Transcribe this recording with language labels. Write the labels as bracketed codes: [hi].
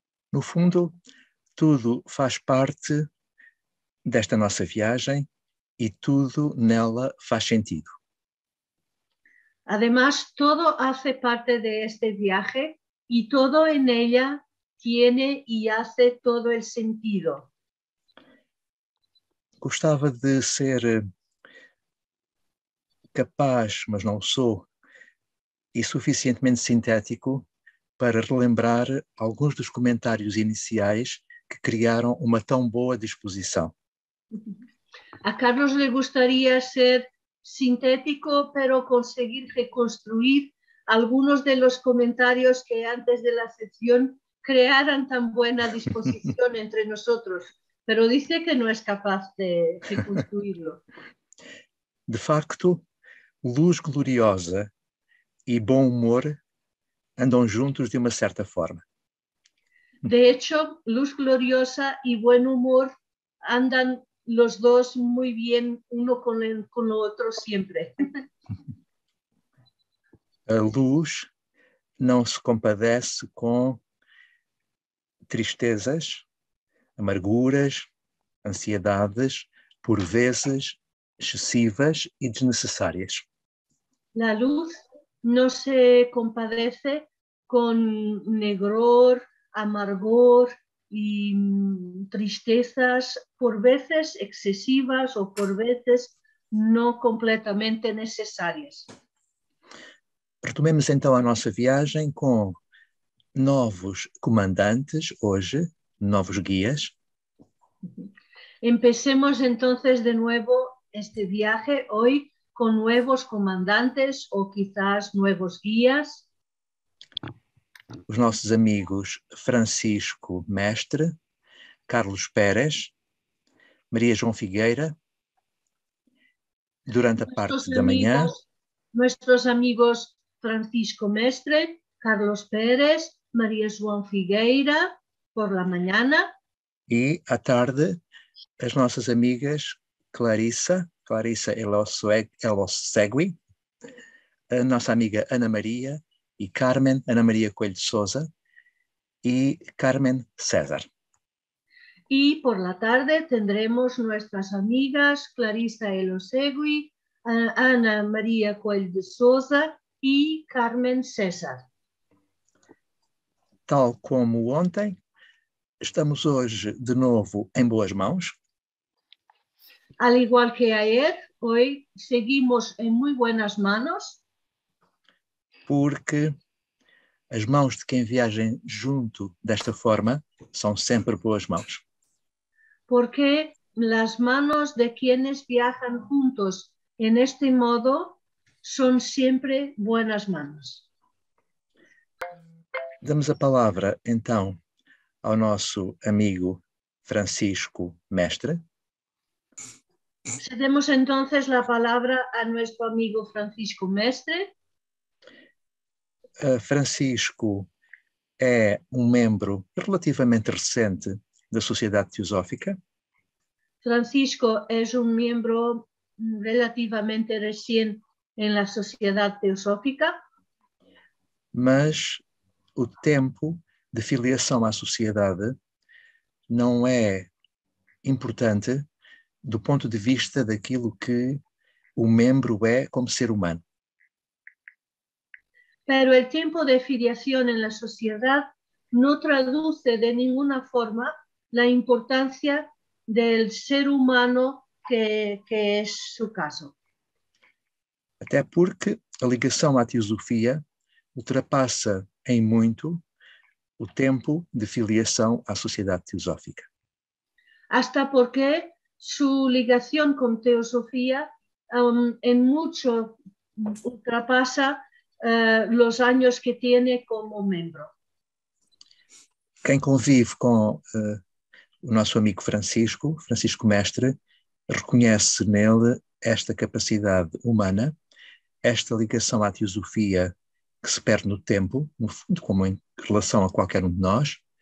[pt] No fundo, tudo faz parte desta nossa viagem e tudo nela faz sentido. [es] Además, todo hace parte de este viaje y todo en ella tiene y hace todo el sentido. [pt] Gostava de ser capaz, mas não sou, e suficientemente sintético para relembrar alguns dos comentários iniciais que criaram uma tão boa disposição. [es] A Carlos le gustaría ser sintético, pero conseguir reconstruir algunos de los comentarios que antes de la sesión crearan tan buena disposición entre nosotros, pero dice que no es capaz de reconstruirlo. [pt] De facto, luz gloriosa e bom humor andam juntos de uma certa forma. [es] De hecho, luz gloriosa y buen humor andan los dos muy bien uno con lo otro siempre. [pt] A luz não se compadece com tristezas, amarguras, ansiedades, por vezes excessivas e desnecessárias. [es] La luz no se compadece con negror, amargor, y tristezas por veces excesivas o por veces no completamente necesarias. [pt] Retomemos então a nossa viagem com novos comandantes hoje, novos guias. [es] Empecemos entonces de nuevo este viaje hoy con nuevos comandantes o quizás nuevos guías. [pt] Os nossos amigos Francisco Mestre, Carlos Pérez, Maria João Figueira, durante a parte da manhã. [es] Nuestros amigos Francisco Mestre, Carlos Pérez, María João Figueira, por la mañana. [pt] E à tarde, as nossas amigas Clarissa Elossegui, a nossa amiga Ana Maria e Carmen, Ana Maria Coelho de Souza e Carmen César. [es] Y por la tarde tendremos nuestras amigas Clarissa Elosegui, Ana María Coelho de Souza y Carmen César. [pt] Tal como ontem, estamos hoje de novo em boas mãos. [es] Al igual que ayer, hoy seguimos en muy buenas manos. [pt] Porque as mãos de quem viaja junto desta forma são sempre boas mãos. [es] Porque las manos de quienes viajan juntos en este modo son siempre buenas manos. [pt] Damos a palavra então ao nosso amigo Francisco Mestre. [es] Cedemos entonces la palabra a nuestro amigo Francisco Mestre. [pt] Francisco é um membro relativamente recente da Sociedade Teosófica. [es] Francisco es un miembro relativamente recién en la Sociedad Teosófica. [pt] Mas o tempo de filiação à sociedade não é importante do ponto de vista daquilo que o membro é como ser humano. [es] Pero el tiempo de filiación en la sociedad no traduce de ninguna forma la importancia del ser humano que es su caso. [pt] Até porque a ligação à teosofia ultrapassa em muito o tempo de filiação à sociedade teosófica. [es] Hasta porque su ligación con teosofía en mucho ultrapasa los años que tiene como miembro. [pt] Quem convive com o nosso amigo Francisco Mestre, reconhece nele esta capacidade humana, esta ligação à teosofia que se perde no tempo, no fundo, como em relação a qualquer um de nós.